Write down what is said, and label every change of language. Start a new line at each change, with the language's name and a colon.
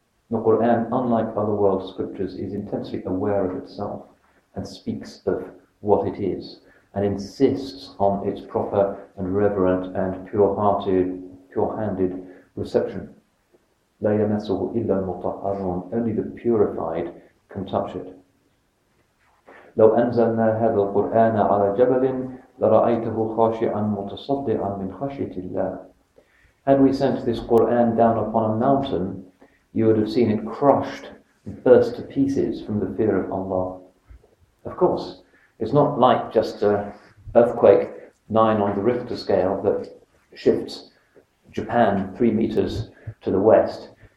English: The Quran, unlike other world scriptures, is intensely aware of itself and speaks of what it is and insists on its proper and reverent and pure-hearted, pure-handed reception.
Arabic: لا يمسه إلا المطهرون.
English: Only the purified can touch it.
Arabic: لو أنزلنا هذا القرآن على جبل لرأيته خاشعا متصدعا من خشية الله.
English: Had we sent this Quran down upon a mountain, you would have seen it crushed and burst to pieces from the fear of Allah. Of course, it's not like just an earthquake 9 on the Richter scale that shifts Japan 3 meters to the west.